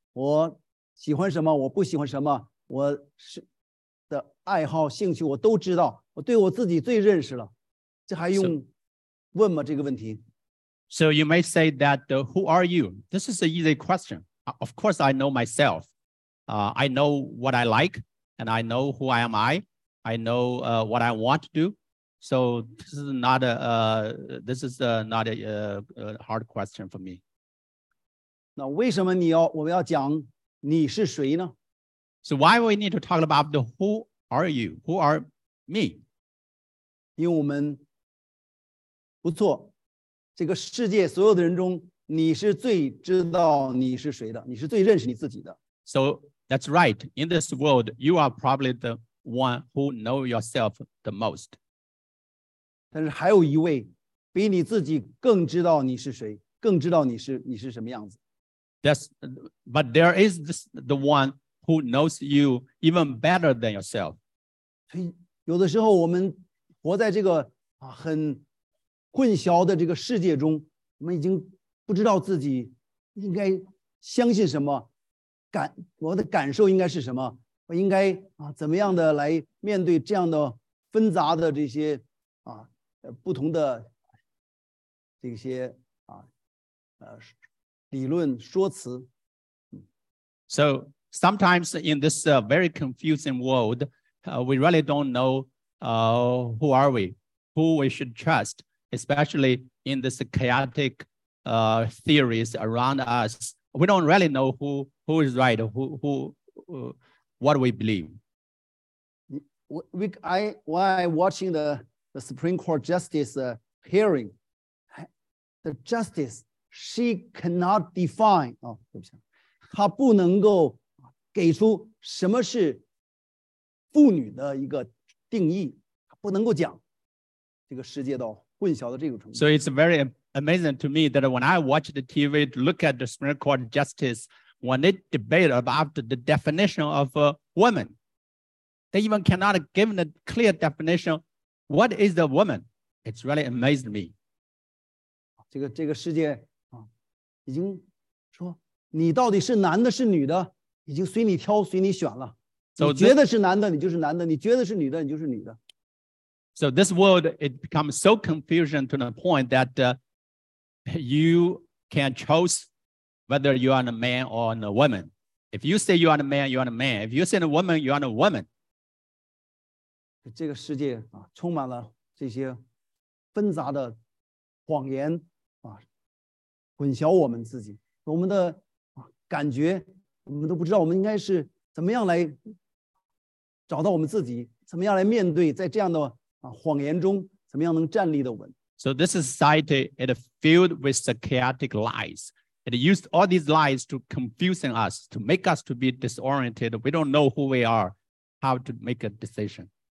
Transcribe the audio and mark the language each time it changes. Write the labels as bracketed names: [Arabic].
[Chinese] 我喜欢什么？我不喜欢什么？我是的爱好、兴趣我都知道。我对我自己最认识了，这还用问吗？这个问题。 [English] So you may say that, who are you? This is an easy question. Of course, I know myself. I know what I like, and I know who I am. I know what I want to do. So this is not a, hard question for me. [Chinese] 那为什么你要我们要讲你是谁呢？ [English] So why we need to talk about the who are you? Who are me? [Chinese] 因为我们不错。这个世界所有的人中，你是最知道你是谁的，你是最认识你自己的。 [English] So that's right. In this world, you are probably the one who know yourself the most. [Chinese] 但是还有一位比你自己更知道你是谁，更知道你是什么样子。 [English] But there is this, the one who knows you even better than yourself. [Chinese] 所以有的时候我们活在这个很混淆的这个世界中，我们已经不知道自己应该相信什么，我的感受应该是什么，我应该怎么样的来面对这样的纷杂的这些不同的这些理论说辞。 [English] So sometimes in this very confusing world, we really don't know who are we, who we should trust. Especially in this chaotic theories around us, we don't really know who is right, what we believe. While watching the Supreme Court justice hearing, the justice, she cannot define, [Chinese] 她不能够给出什么是妇女的一个定义，不能够讲这个世界的。 [English] So it's very amazing to me that when I watch the TV to look at the Supreme Court justice, when they debate about the definition of a woman, they even cannot give a clear definition. What is a woman? It's really amazed me. [Chinese] 这个世界已经说你到底是男的是女的，已经随你挑随你选了。 [English] So [Chinese] 你觉得是男的，你就是男的；你觉得是女的，你就是女的。 [English] So this world, it becomes so confusing to the point that you can choose whether you are a man or a woman. If you say you are a man, you are a man. If you say a woman, you are a woman. [Chinese] 这个世界充满了这些纷杂的谎言混淆我们自己。我们的感觉我们都不知道我们应该是怎么样来找到我们自己，怎么样来面对在这样的谎言中怎么样能站立得稳。 [English] So this society is filled with the chaotic lies. It used all these lies to confuse us, to make us to be disoriented. We don't know who we are, how to make a decision.